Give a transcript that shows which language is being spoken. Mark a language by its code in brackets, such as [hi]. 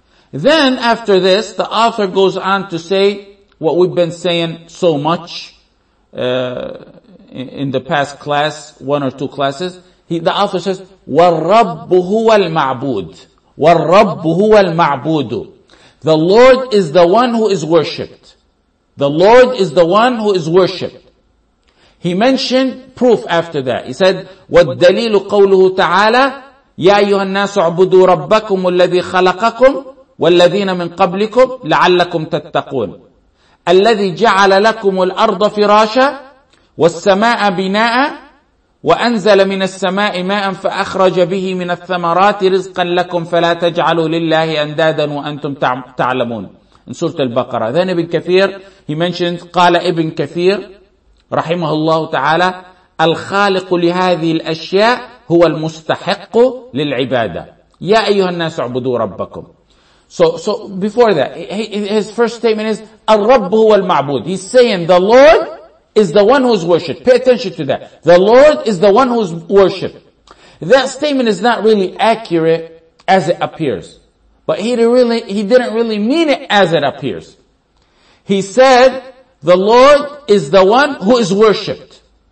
[en] Then after this, the author goes on to say what we've been saying so much in the past class, one or two classes. The author says, [ar] وَالرَّبُّ هُوَ الْمَعْبُودُ. وَالرَّبُّ هُوَ الْمَعْبُودُ. [en] The Lord is the one who is worshipped. The Lord is the one who is worshipped. He mentioned proof after that. He said, [ar] وَالدَّلِيلُ قَوْلُهُ تَعَالَى يَا أَيُّهَا النَّاسُ عُبُدُوا رَبَّكُمُ الَّذِي خَلَقَكُمْ والذين من قبلكم لعلكم تتقون الذي جعل لكم الأرض فراشا والسماء بناء وأنزل من السماء ماء فأخرج به من الثمرات رزقا لكم فلا تجعلوا لله أندادا وأنتم تعلمون. In سورة البقرة. [en] Then Ibn Kathir, he mentioned, [ar] قال Ibn Kathir رحمه الله تعالى الخالق لهذه الأشياء هو المستحق للعبادة يا أيها الناس اعبدوا ربكم. [en] So before that, his first statement is, [ar] الْرَبُّ هُوَ الْمَعْبُودِ. [en] He's saying, the Lord is the one who's worshipped. Pay attention to that. The Lord is the one who's worshipped. That statement is not really accurate as it appears. But he didn't really mean it as it appears. He said, the Lord is the one who is worshipped.